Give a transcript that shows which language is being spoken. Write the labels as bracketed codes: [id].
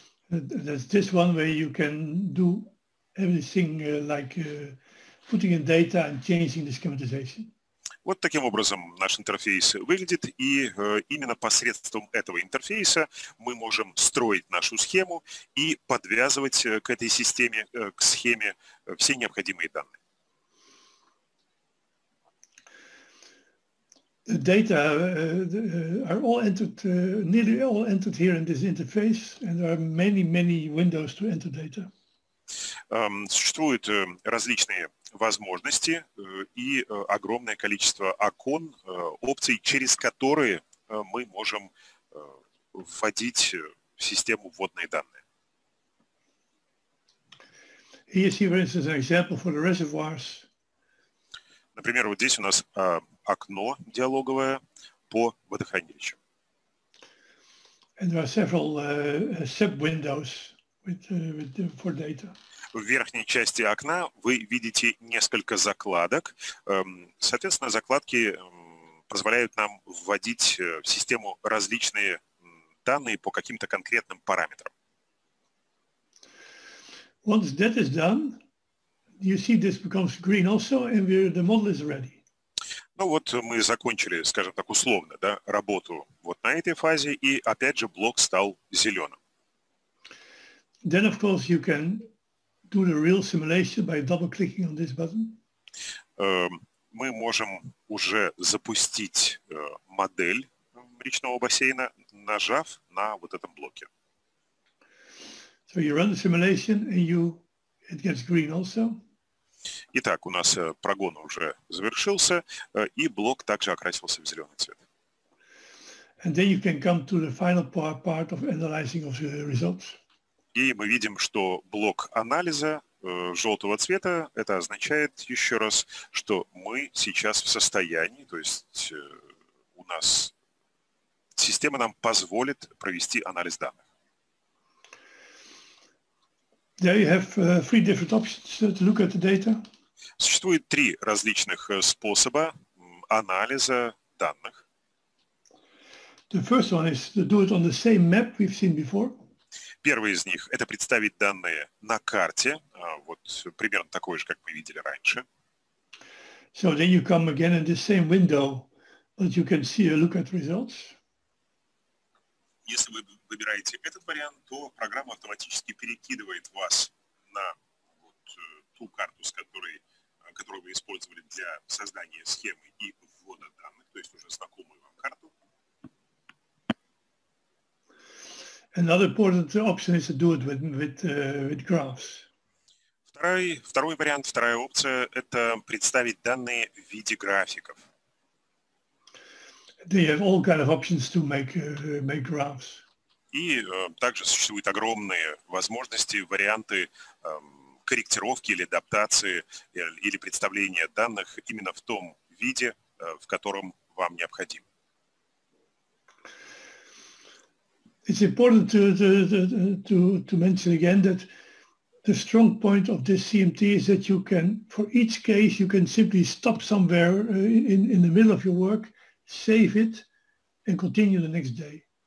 [en] That's this one where you can do everything like putting in data and changing the schematization. [ru] Вот таким образом наш интерфейс выглядит, и именно посредством этого интерфейса мы можем строить нашу схему и подвязывать к этой системе, к схеме все необходимые данные. [en] The data are all entered, nearly all entered here in this interface, and there are many, many windows to enter data. [ru] Существуют различные возможности и огромное количество окон, опций, через которые мы можем вводить в систему вводные данные. [en] Here you see, for instance, an example for the reservoirs. [ru] Например, вот здесь у нас окно диалоговое по водохранилищу. [en] And there are several sub-windows for data. [ru] В верхней части окна вы видите несколько закладок. Соответственно, закладки позволяют нам вводить в систему различные данные по каким-то конкретным параметрам. [en] Once that is done, you see this becomes green also, and the model is ready. [ru] Ну вот мы закончили, скажем так, условно, да, работу вот на этой фазе, и опять же блок стал зеленым. [en] Then, of course, you can do the real simulation by double-clicking on this button. [ru] Мы можем уже запустить модель речного бассейна, нажав на вот этом блоке. [en] So you run the simulation and it gets green also. [ru] Итак, у нас прогон уже завершился, и блок также окрасился в зеленый цвет. [en] And then you can come to the final part of analyzing of the results. [ru] И мы видим, что блок анализа желтого цвета, это означает еще раз, что мы сейчас в состоянии, то есть у нас система нам позволит провести анализ данных. [en] There you have three different options to look at the data. [ru] Существует три различных способа анализа данных. [en] The first one is to do it on the same map we've seen before. [ru] Первый из них – это представить данные на карте, вот примерно такой же, как мы видели раньше. [en] So then you come again in the same window, but you can see a look at results. [ru] Если вы выбираете этот вариант, то программа автоматически перекидывает вас на вот ту карту, с которой, которую вы использовали для создания схемы и ввода данных, то есть уже знакомую вам карту. [en] Another important option is to do it with graphs. [ru] Второй вариант, вторая опция – это представить данные в виде графиков. [en] They have all kind of options to make graphs. [ru] И также существуют огромные возможности, варианты корректировки или адаптации или представления данных именно в том виде, в котором вам необходимо. [en] It's important to mention again that the strong point of this CMT is that you can, for each case, you can simply stop somewhere in the middle of your work, save it, and continue the next day.